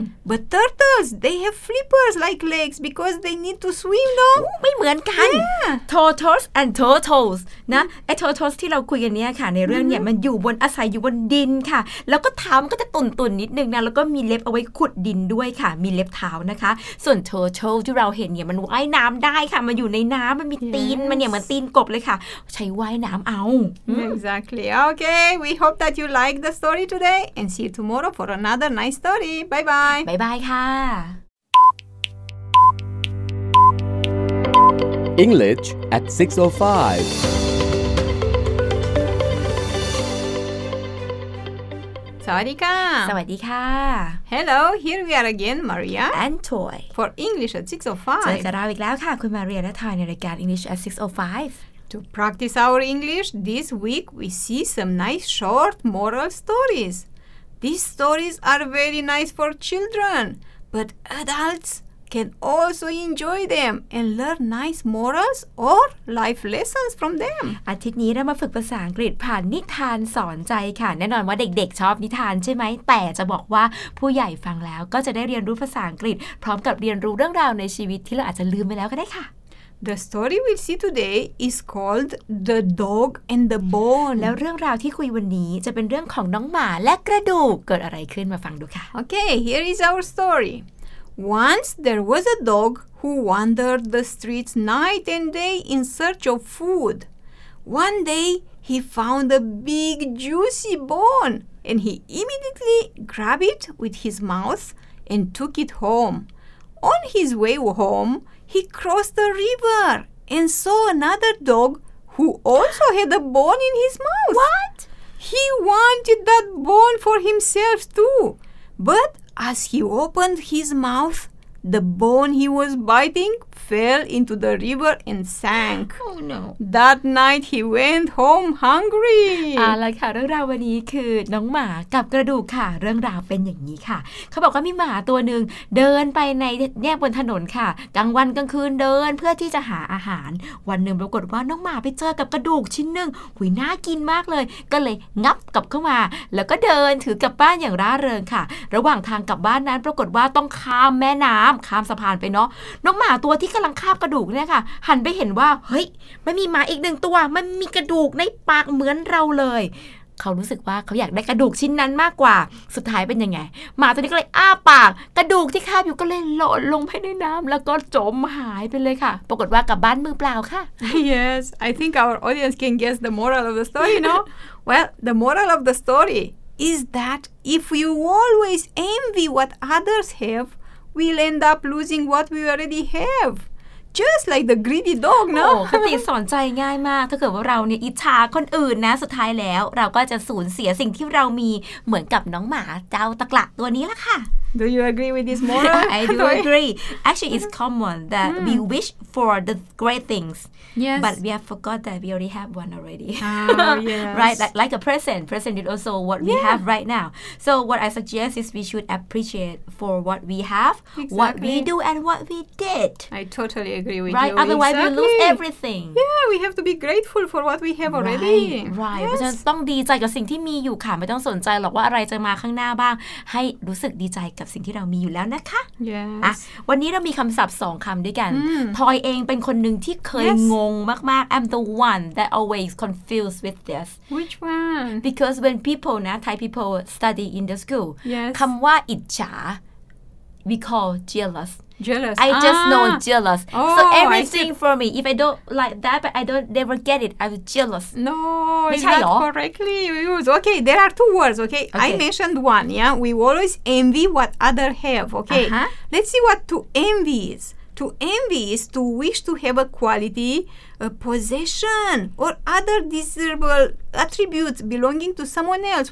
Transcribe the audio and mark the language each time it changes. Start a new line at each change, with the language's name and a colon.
English: But turtles, they have flippers like legs because they need to swim, no?
Thai: ไม่เหมือนกัน Tortoise and turtles นะไอ้ turtles ที่เราคุยกันเนี้ยค่ะในเรื่องเนี้ยมันอยู่บนอาศัยอยู่บนดินค่ะแล้วก็เท้ามันก็จะตุ่นๆนิดนึงนะแล้วก็มีเล็บเอาไว้ขุดดินด้วยค่ะมีเล็บเท้านะคะส่วน turtle ที่เราเห็นเนี่ยมันว่ายน้ำได้ค่ะมันอยู่ในน้ำมันมีตีนมันเนี่ยเหมือนตีนกบเลยค่ะใช้ว่ายน้ำเอา
English: Exactly. Okay. We hope that you like the story today and see you tomorrow for another nice story. Bye-bye. Bye-bye, ka. English at 6:05.
Thai: สวัสดีค่ะ สวัสดีค่ะ
English: Hello here we are again Maria and Toy for English at 6:05.
Thai: เจอกันแล้วอีกแล้วค่ะคุณ Maria และ Toy ในรายการ English at 6:05
English: To practice our English, this week we see some nice short moral stories. These stories are very nice for children, but adults can also enjoy them and learn nice morals or life lessons from them.
Thai: อาทิตย์นี้เรามาฝึกภาษาอังกฤษผ่านนิทานสอนใจค่ะแน่นอนว่าเด็กๆชอบนิทานใช่ไหมแต่จะบอกว่าผู้ใหญ่ฟังแล้วก็จะได้เรียนรู้ภาษาอังกฤษพร้อมกับเรียนรู้เรื่องราวในชีวิตที่เราอาจจะลืมไปแล้วก็ได้ค่ะ
English: The story we'll see today is called The Dog and the Bone.
Thai: แล้วเรื่องราวที่คุยวันนี้จะเป็นเรื่องของน้องหมาและกระดูกเกิดอะไรขึ้นมาฟังดูค่ะ
English: Okay, here is our story. Once there was a dog who wandered the streets night and day in search of food. One day, he found a big juicy bone and he immediately grabbed it with his mouth and took it home. On his way home,He crossed the river and saw another dog who also had a bone in his mouth. What? He wanted that bone for himself too. But as he opened his mouth, the bone he was biting fell into the river and sank. Oh no. That night he went home hungry.
Thai: ล่ะค่ะเรื่องราววันนี้คือน้องหมากับกระดูกค่ะเรื่องราวเป็นอย่างนี้ค่ะเขาบอกว่ามีหมาตัวนึงเดินไปในแยกบนถนนค่ะกลางวันกลางคืนเดินเพื่อที่จะหาอาหาร วันหนึ่งปรากฏว่าน้องหมาไปเจอกับกระดูกชิ้นนึงหุยน่ากินมากเลยก็เลยงับกลับเข้ามาแล้วก็เดินถือกลับบ้านอย่างร่าเริงค่ะระหว่างทางกลับบ้านนั้นปรากฏว่าต้องข้ามแม่น้ำข้ามสะพานไปเนาะน้องหมาตัวที่กำลังคาบกระดูกเนี่ยค่ะหันไปเห็นว่าเฮ้ยมันมีหมาอีกหนึ่งตัวมันมีกระดูกในปากเหมือนเราเลย เขารู้สึกว่าเขาอยากได้กระดูกชิ้นนั้นมากกว่าสุดท้ายเป็นยังไงหมาตัวนี้ก็เลยอ้าปากกระดูกที่คาบอยู่ก็เลยหล่นลงไปในน้ำแล้วก็จมหายไปเลยค่ะปรากฏว่ากลับบ้านมือเปล่าค่ะ
English: Yes I think our audience can guess the moral of the story no Well the moral of the story is that if you always envy what others haveWe'll end up losing what we already have. Just like the greedy dog, no?
Thai: คติสอนใจง่ายมากถ้าเกิดว่าเราเนี่ยอิจฉาคนอื่นนะสุดท้ายแล้วเราก็จะสูญเสียสิ่งที่เรามีเหมือนกับน้องหมาเจ้าตะกละตัวนี้ล่ะค่ะ
English: Do you agree with this moral? I do agree. Actually, it's common that we wish for the great things. Yes. But we have forgot that we already have one already. Yes. Right? Like a present. Present is also what we have right now. So what I suggest is we should appreciate for what we have, exactly. what we do, and what we did. I totally agree with right? you. Right? Otherwise, exactly. we lose everything. Yeah, we have to be grateful for what we have already. Right. Right.
Thai: Yes. ต้องดีใจกับสิ่งที่มีอยู่ค่ะไม่ต้องสนใจหรอกว่าอะไรจะมาข้างหน้าบ้างให้รู้สึกดีใจับสิ่งที่เรามีอยู่แล้วนะคะ
English: yes.
Thai: วันนี้เรามีคำศัพท์2คำด้วยกันทอยเองเป็นคนหนึ่งที่เคย
English: yes.
Thai: งงมากๆ
English: I'm the one that always confused with this Which one? Because when people, Thai people study in the school yes.
Thai: คำว่าอิจฉา
English: we call jealous Jealous. I just know jealous. Oh, so everything for me, if I don't like that, but I don't never get it, I'm jealous. No, not correctly used. Okay, there are two words, okay? okay? I mentioned one, yeah? We always envy what others have, okay? Uh-huh. Let's see what to envy is. To envy is to wish to have a quality, a possession, or other desirable attributes belonging to someone else.